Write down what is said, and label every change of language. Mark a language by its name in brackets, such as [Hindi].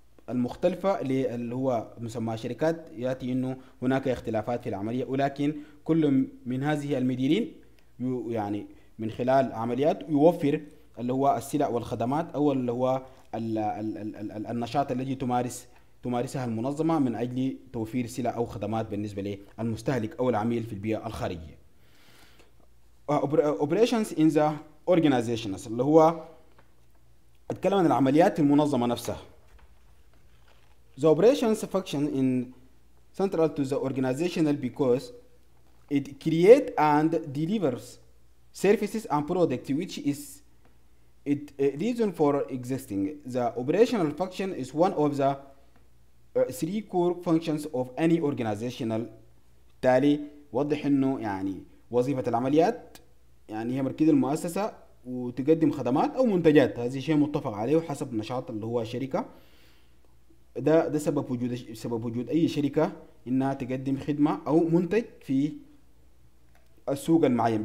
[Arabic] المختلفة اللي هو مسمى شركات، يأتي أنه هناك اختلافات في العملية، ولكن كل من هذه المديرين يعني من خلال عمليات يوفر اللي هو السلع والخدمات، أو اللي هو النشاط الذي تمارسها المنظمة من أجل توفير سلع أو خدمات بالنسبة للمستهلك أو العميل في البيئة الخارجية. [English] Operations in the organization [Arabic] اللي هو أتكلم عن العمليات المنظمة نفسها. [English] The operations function in central to the organizational because it creates and delivers services and products which is it reason for existing. The operational function is one of the three core functions of any organizational. [Arabic] تالي وضح انه يعني وظيفة العمليات يعني هي مركز المؤسسة وتقدم خدمات او منتجات، هذا شيء متفق عليه وحسب نشاط اللي هو شركة. ده سبب وجود اي شركة انها تقدم خدمة او منتج في السوق المعين.